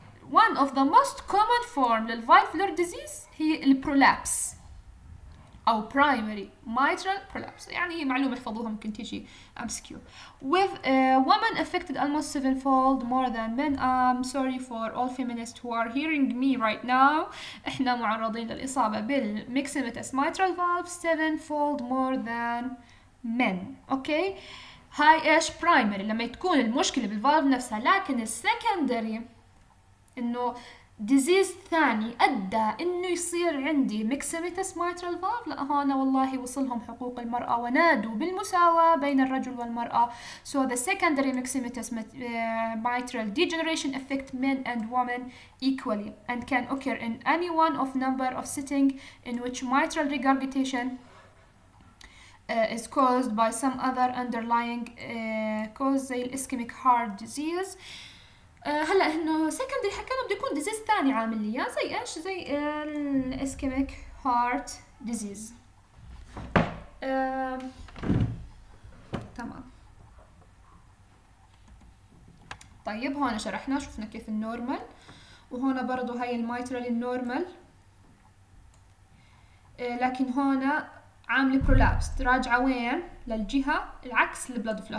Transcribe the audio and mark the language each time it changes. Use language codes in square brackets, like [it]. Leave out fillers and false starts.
[en] one of the most common form للvalvular disease [ar] هي البرولابس أو [en] primary mitral prolapse، [ar] يعني هي معلومة احفظوها ممكن تيجي [en] MCQ. With women affected almost sevenfold more than men. I'm sorry for all feminists who are hearing me right now. [ar] إحنا معرضين للإصابة بالmyxomatous mitral valve [en] sevenfold more than men. Okay. [ar] هاي إيش primary؟ لما تكون المشكلة بالvalve نفسها، لكن secondary إنه ديزيز ثاني أدى إنه يصير عندي ميكسيميتس ميترال فالف. لأ هنا والله وصلهم حقوق المرأة ونادوا بالمساواة بين الرجل والمرأة. [en] So the secondary myxomatous mitral degeneration affect men and women equally and can occur in any one of number of setting in which mitral regurgitation is caused by some other underlying cause زي ischemic heart disease. [ar] هلا انه سكند الحكي انه بده يكون ديزيز ثاني عامل لي اياه، زي ايش؟ زي الاسكيميك هارت ديزيز. تمام. طيب هون شرحنا، شفنا كيف النورمال، وهون برضو هاي الميترال النورمال، لكن هون عامل برولابس راجعه وين؟ للجهه العكس للبلد فلو.